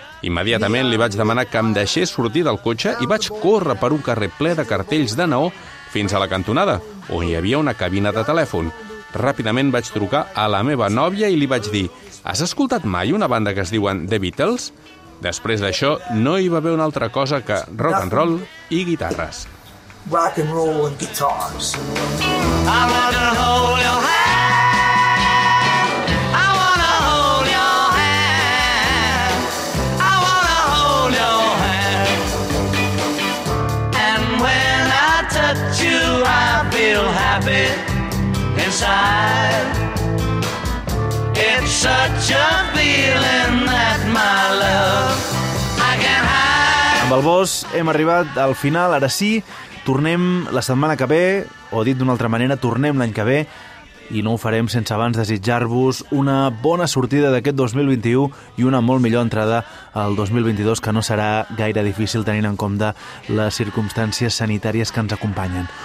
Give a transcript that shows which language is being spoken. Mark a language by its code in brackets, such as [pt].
[ca] Immediatament li vaig demanar que em deixés sortir del cotxe i vaig córrer per un carrer ple de cartells de neó fins a la cantonada, on hi havia una cabina de telèfon. Ràpidament vaig trucar a la meva nòvia i li vaig dir: "Has escoltat mai una banda que es diuen The Beatles?" Després d'això, no hi va haver una altra cosa que rock and roll i guitarres. [en] Rock and roll and guitars. I wanna hold your hand. I wanna hold your hand. I wanna hold your hand. And when I touch you, I feel happy inside. It's such a feeling that my love I can't hide. [ca] Amb el boss hem arribat al final, ara sí, tornem la setmana que ve, o dit d'una altra manera, tornem l'any que ve, i no ho farem sense abans desitjar-vos una bona sortida d'aquest 2021 i una molt millor entrada al 2022, que no serà gaire difícil tenint en compte les circumstàncies sanitàries que ens acompanyen.